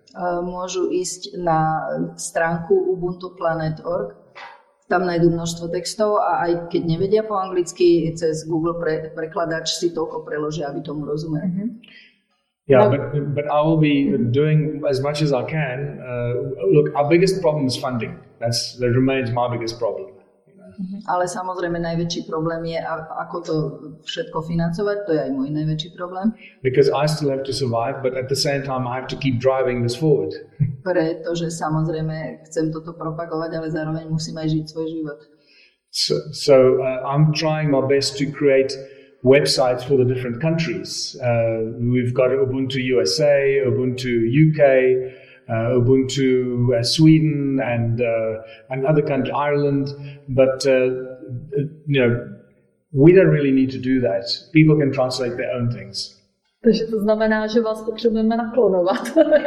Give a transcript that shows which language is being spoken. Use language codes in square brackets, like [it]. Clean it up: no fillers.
[sk] Môžu ísť na stránku ubuntuplanet.org. Tam nájdu množstvo textov a aj keď nevedia po anglicky, cez Google prekladač si toľko preložia, aby tomu rozumeli. [en] Yeah, but I will be doing as much as I can. Look, our biggest problem is funding. That remains my biggest problem. [sk] Ale samozrejme najväčší problém je, ako to všetko financovať, to je aj môj najväčší problém. [en] Because I still have to survive, but at the same time I have to keep driving this forward. [sk] Pretože samozrejme chcem toto propagovať, ale zároveň musím aj žiť svoj život. [en] So I'm trying my best to create websites for the different countries. We've got Ubuntu USA, Ubuntu UK, Ubuntu Sweden and other countries, Ireland, but you know, we don't really need to do that. People can translate their own things. [cs] Takže to znamená, že vás potřebujeme naklonovat.